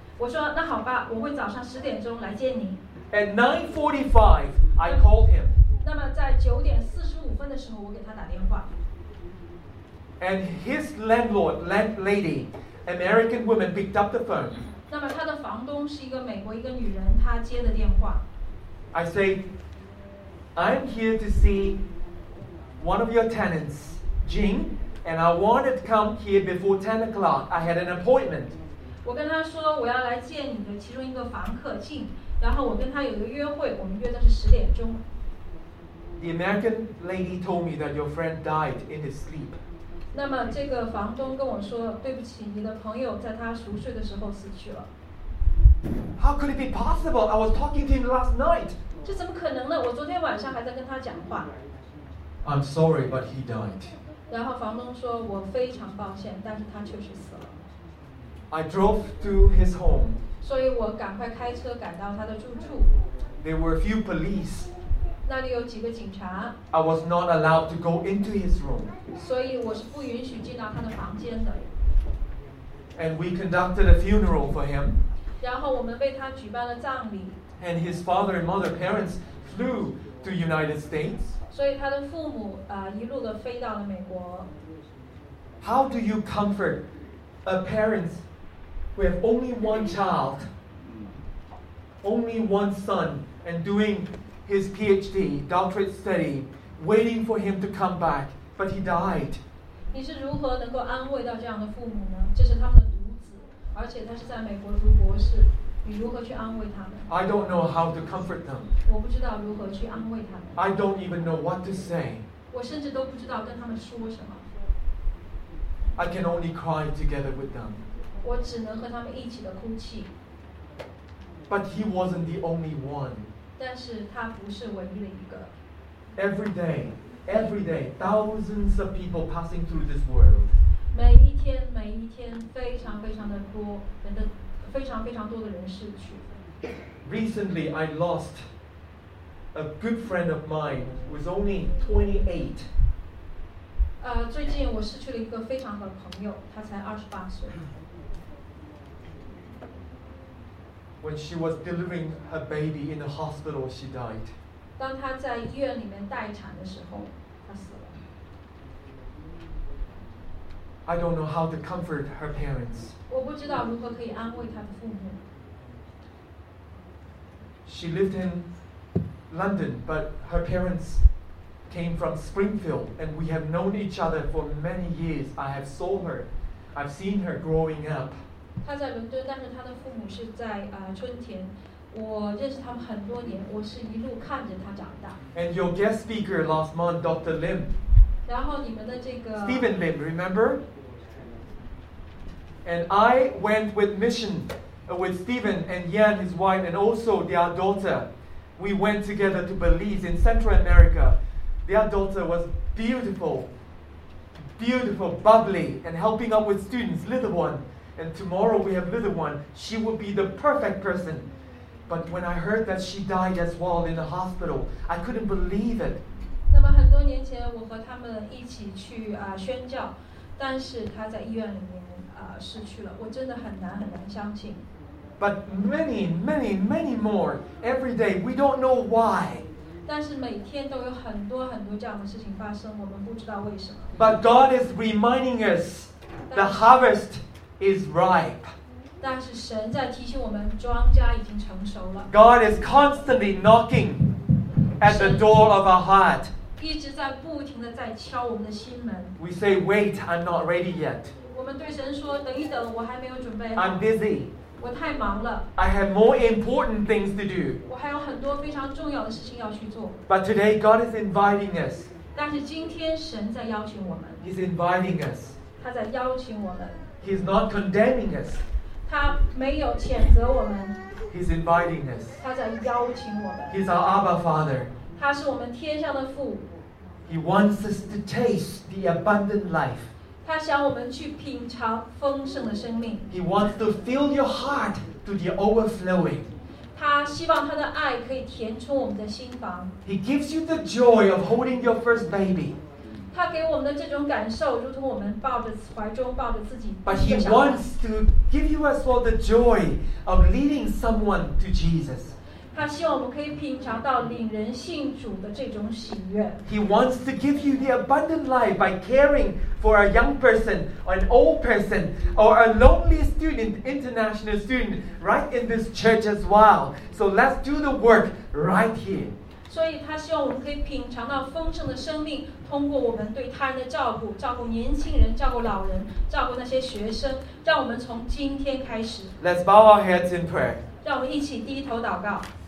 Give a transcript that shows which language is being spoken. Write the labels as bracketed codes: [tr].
[zh] 我说那好吧，我会早上十点钟来见你。 [en] At 9:45, I called him. [zh] 那么在9:45的时候，我给他打电话。 [en] And his landlady, American woman, picked up the phone. [zh] 那么他的房东是一个美国一个女人，她接的电话。 [en] I say, I'm here to see one of your tenants, Jing, and I wanted to come here before 10 o'clock. I had an appointment. [zh] 我跟她说我要来见你的其中一个房客 Jing, 然后我跟她有一个约会，我们约的是十点钟。 [en] The American lady told me that your friend died in his sleep. [zh] 那么这个房东跟我说，对不起，你的朋友在他熟睡的时候死去了。 [en] How could it be possible? I was talking to him last night. [zh] 这怎么可能呢？我昨天晚上还在跟他讲话。 [en] I'm sorry, but he died. [zh] 然后房东说，我非常抱歉，但是他确实死了。 [en] I drove to his home. [zh] 所以我赶快开车赶到他的住处。 [en] There were a few police. [zh] 那里有几个警察。 [en] I was not allowed to go into his room. [zh] 所以我是不允许进到他的房间的。 [en] And we conducted a funeral for him. [zh] 然后我们为他举办了葬礼。 [en] And his father and mother, parents flew to United States. [zh] 所以他的父母一路的飞到了美国。 [en] How do you comfort a parent who have only one child, only one son, and doing? His PhD, doctorate study, waiting for him to come back, but he died. [zh] 你是如何能够安慰到这样的父母呢？这是他们的独子，而且他是在美国读博士，你如何去安慰他们？ [en] I don't know how to comfort them. [zh] 我不知道如何去安慰他们。 [en] I don't even know what to say. [zh] 我甚至都不知道跟他们说什么。 [en] I can only cry together with them. [zh] 我只能和他们一起的哭泣。 [en] But he wasn't the only one. [zh] 但是他不是唯一的一个。 [en] Every day, thousands of people passing through this world. [zh] 每一天，非常非常的多，人的非常非常多的人逝去。 [en] Recently, I lost a good friend of mine who is only 28. [zh] 最近我失去了一个非常好的朋友，她才28岁。 [en] When she was delivering her baby in the hospital, she died. [zh] 当她在医院里面待产的时候，她死了。 [en] I don't know how to comfort her parents. [zh] 我不知道如何可以安慰她的父母。 [en] She lived in London, but her parents came from Springfield, and we have known each other for many years. I have saw her. I've seen her growing up. [zh] 她在伦敦，但是她的父母是在春田。我认识他们很多年，我是一路看着她长大。 [en] And your guest speaker last month, Dr. Lim. [zh] 然后你们的这个 [en] Stephen Lim, remember? And I went with mission with Stephen and Yan, his wife, and also their daughter. We went together to Belize in Central America. Their daughter was beautiful, beautiful, bubbly, and helping up with students, little one. And tomorrow we have little one. She would be the perfect person. But when I heard that she died as well in the hospital, I couldn't believe it. [zh] 那么很多年前我和他们一起去宣教，但是他在医院里面失去了，我真的很难很难相信。 [en] But many, many, many more every day. We don't know why. [zh] 但是每天都有很多很多这样的事情发生，我们不知道为什么。 [en] But God is reminding us the harvest is ripe. [zh] 但是神在提醒我们，庄稼已经成熟了。 [en] God is constantly knocking. At the door of our heart. [zh] 一直在不停地在敲我们的心门。 [en] We say, wait, I'm not ready yet. [zh] 我们对神说，等一等，我还没有准备。 [en] I'm busy. [zh] 我太忙了。 [en] I have more important things to do. [zh] 我还有很多非常重要的事情要去做。 [en] But today, God is inviting us. [zh] 但是今天神在邀请我们。 [en] He's inviting us. [zh] 他在邀请我们。 [en] He's not condemning us. [zh] 他没有谴责我们。 [en] He's inviting us. [zh] 他在邀请我们。 [en] He's our Abba Father. [zh] 他是我们天上的父。 [en] He wants us to taste the abundant life. [zh] 他想我们去品尝丰盛的生命。 [en] He wants to fill your heart to the overflowing. [zh] 他希望他的爱可以填充我们的心房。 [en] He gives you the joy of holding your first baby. [zh] 他给我们的这种感受，如同我们抱着怀中抱着自己。 [en] But he wants to. Give you as well the joy of leading someone to Jesus. [zh] 他希望我们可以品尝到领人信主的这种喜悦。 [en] He wants to give you the abundant life by caring for a young person, or an old person, or a lonely student, international student, right in this church as well. So let's do the work right here. [zh] 所以他希望我们可以品尝到丰盛的生命，通过我们对他人的照顾，照顾年轻人，照顾老人，照顾那些学生，让我们从今天开始。 [en] Let's bow our heads in prayer. [zh] 让我们一起低头祷告。